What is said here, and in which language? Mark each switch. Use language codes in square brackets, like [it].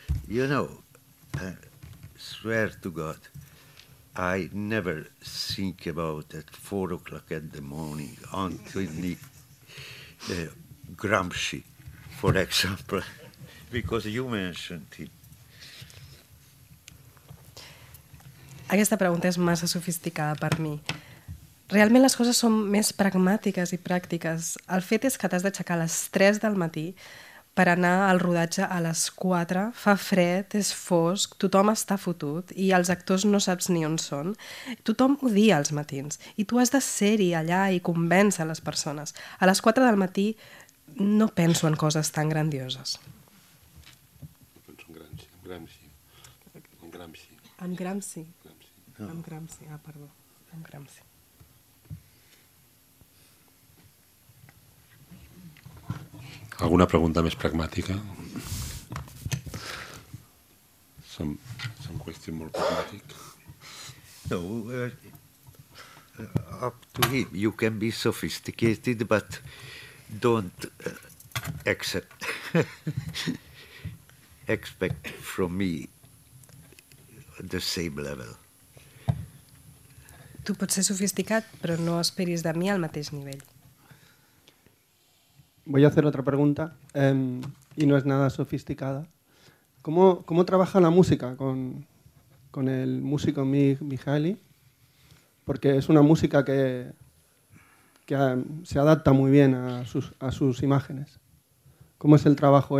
[en] You know, I swear to God, I never think about at 4 o'clock in the morning, Antony Gramsci, for example, because you mentioned him. [ca] Aquesta pregunta és massa sofisticada per mi. Realment les coses són més pragmàtiques i pràctiques. El fet és que t'has d'aixecar a les 3 del matí per anar al rodatge a les 4, fa fred, és fosc, tothom està fotut i els actors no saps ni on són. Tothom odia els matins i tu has de ser-hi allà i convèncer les persones. A les 4 del matí no penso en coses tan grandioses. Penso en Gramsci. En Gramsci. En Gramsci. En Gramsci. En Gramsci. Ah, perdó. En Gramsci. Alguna pregunta més pragmàtica? [en] Some question more pragmatic. No, up to him. You can be sophisticated, but don't expect from me the same level. [ca] Tu pots ser sofisticat, però no esperis de mi al mateix nivell. [es] Voy a hacer otra pregunta y no es nada sofisticada. ¿Cómo trabaja la música con el músico Mihaly? Porque es una música que se adapta muy bien a sus imágenes. ¿Cómo es el trabajo?